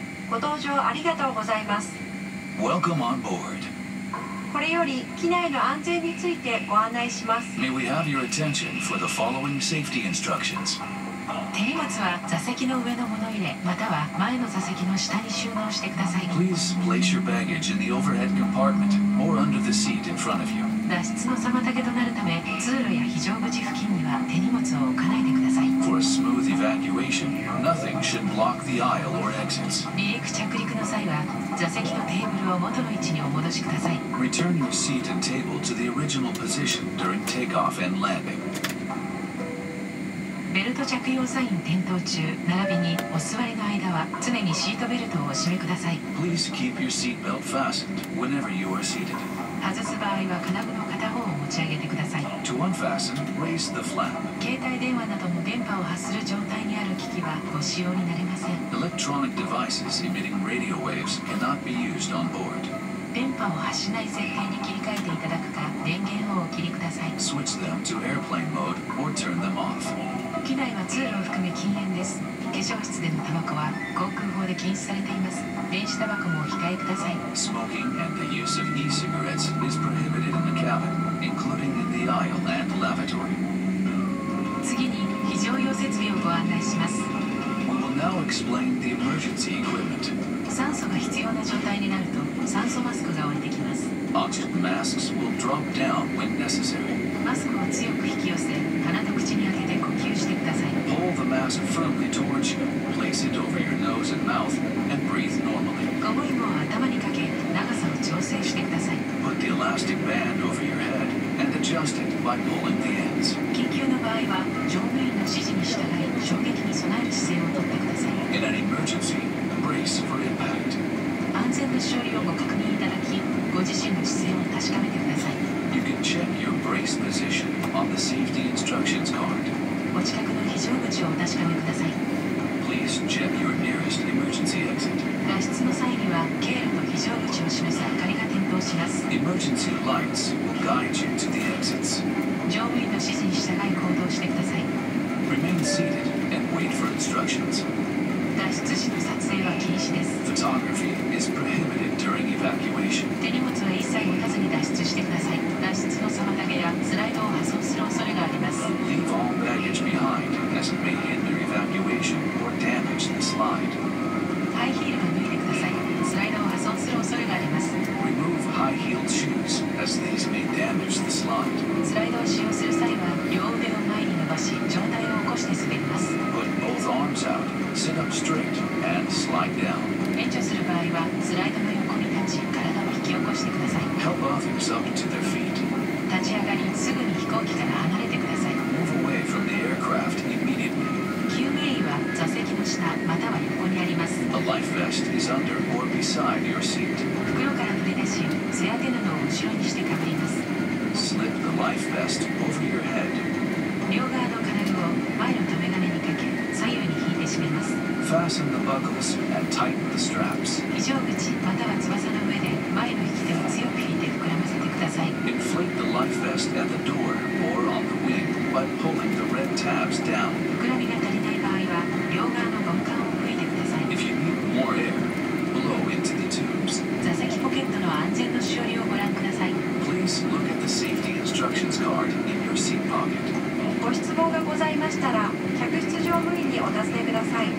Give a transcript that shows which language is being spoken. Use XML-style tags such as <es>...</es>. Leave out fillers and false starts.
<ja>ご搭乗ありがとうございます。</ja> <en>Welcome on board.</en> <ja>これより機内の安全についてご案内します。</ja> <en>May we have your attention for the following safety instructions.</en> <ja>手荷物は座席の上の物入れまたは前の座席の下に収納してください。</ja> <en>Please place your baggage in the overhead compartment or under the seat in front of you.</en> <ja>脱出の妨げとなるため通路や非常口付近には手荷物を置かないでください。</ja> <en>For a smooth evacuation, nothing should block the aisle or exits.</en> <ja>離陸着陸の際は、座席とテーブルを元の位置にお戻しください。</ja> <en>Return your seat and table to the original position during takeoff and landing.</en> <ja>ベルト着用サイン点灯中、並びにお座りの間は常にシートベルトをお締めください。</ja> <en>Please keep your seat belt fastened whenever you are seated.</en> <ja>外す場合は金具の片方を持ち上げてください。</ja> <en>To unfasten, raise the flap.</en> <ja>携帯電話なども電波を発する状態にある機器はご使用になれません。</ja> <en>Electronic devices emitting radio waves cannot be used on board.</en> <ja>電波を発しない設定に切り替えていただくか、電源をお切りください。</ja> <en>Switch them to airplane mode or turn them off.</en> <ja>機内は通路を含め禁煙です。化粧室でのタバコは航空法で禁止されています。電子タバコもお控えください。</ja> <en>Smoking and the use of e-cigarettes is prohibited in the cabin, including in the aisle and lavatory.</en> <ja>次に非常用設備をご案内します。</ja> <en>We will now explain the emergency equipment.</en> <ja>酸素が必要な状態になると酸素マスクが置いてきます。</ja> <en>Oxygen masks will drop down when necessary.</en> <ja>マスクを強く引き寄せ鼻と口に当てて呼吸してください。</ja> <en>Pull the mask firmly towards you. Place it over your nose and mouth and breathe normally.</en> <ja>ゴム紐を頭にかけ長さを調整してください。</ja> <en>Put the elastic band over your headAnd adjust it by pulling the ends.</en> <ja>緊急の場合は乗務員の指示に従い衝撃に備える姿勢をとってください。</ja> <en>In an emergency, brace for impact.</en> <ja>安全の処理をご確認いただきご自身の姿勢を確かめてください。</ja> <en>You can check your brace position on the safety instructions card.</en> <ja>お近くの非常口をお確かめください。</ja> <en>Please check your nearest emergency exit.</en> <ja>脱出の際には経路と非常口を示す明かりが点灯します。</ja> <en>Emergency lights will guide you to the exits.</en> <ja>乗務員の指示に従い行動してください。</ja> <en>Remain seated and wait for instructions.</en> <ja>脱出時の撮影は禁止です。</ja> <en>Photography is prohibited during evacuation.</en> <ja>手荷物は一切持たずに脱出してください。脱出の妨げやスライドを破損する恐れがあります。</ja> <en>Leave all baggage behind as it may hinder evacuation or damage the slide.</en> <ja>ハイヒールを脱いでください。スライドを破損する恐れがあります。</ja> <en>Remove high-heeled shoes, as these may damage the slide.</en> <ja>スライドを使用する際は、両腕を前に伸ばし、上体を起こして滑ります。</ja> <en>Put both arms out, sit up straight, and slide down.</en> <ja>免除する場合は、スライドの横に立ち、体を引き起こしてください。</ja> <en>Help others up to their feet.</en> <ja>立ち上がり、すぐに飛行機から離れてください。</ja> <en>Move away from the aircraft immediately.</en> <ja>救命衣は座席の下または横にあります。</ja> <en>A life vest is under or beside your seat.</en> <ja>袋から取り出しし、背当てなどを後ろにしてかぶります。</ja> <en>Slip the life vest over your head.</en> <ja>両側の金具を前の留め金にかけ、左右に引いて締めます。</ja> <en>Fasten the buckles and tighten the straps.</en> <ja>非常口または翼の上で前の引き手を強く引いて膨らませてください。</ja> <en>Inflate the life vest at the door or on the wing by pulling the red tabs down.</en> <ja>膨らみが足りない場合は、両側のゴム管を吹いてください。</ja> <en>If you need more air,Into the tubes.</en> <ja>座席ポケットの安全のしおりをご覧ください。</ja> <en>Please look at the safety instructions card in your seat pocket.</en> <ja>ご質問がございましたら、客室乗務員にお尋ねください。</ja>